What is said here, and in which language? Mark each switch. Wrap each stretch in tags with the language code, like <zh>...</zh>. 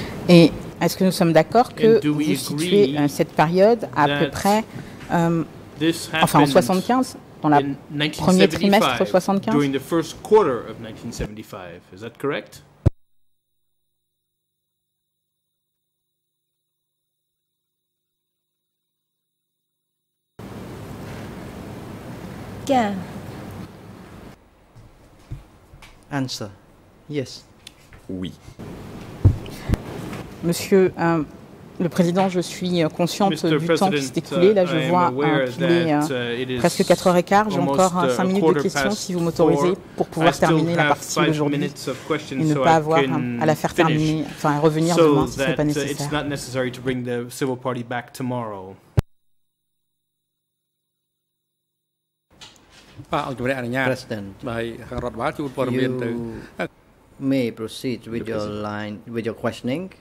<fr>Et est-ce que nous sommes d'accord que vous situez cette période à peu près enfin, en 75, dans le premier trimestre 75.</fr> <en>During the first quarter of 1975, is that correct? Yeah. Answer. Yes.</en> <fr>Oui. Monsieur. Le président, je suis consciente</fr> <en>Mr.</en> <fr>du</fr> <en>President,</en> <fr>temps qui s'est écoulé. Là, je vois qu'il est presque 4h15. J'ai encore 5 minutes de questions, si vous m'autorisez, pour pouvoir terminer la partie d'aujourd'hui et ne pas avoir à la faire terminer, enfin, revenir demain si ce n'est pas nécessaire.</fr> <en>It's not necessary to bring the civil party back tomorrow. President, you may proceed with your line, with your questioning,</en>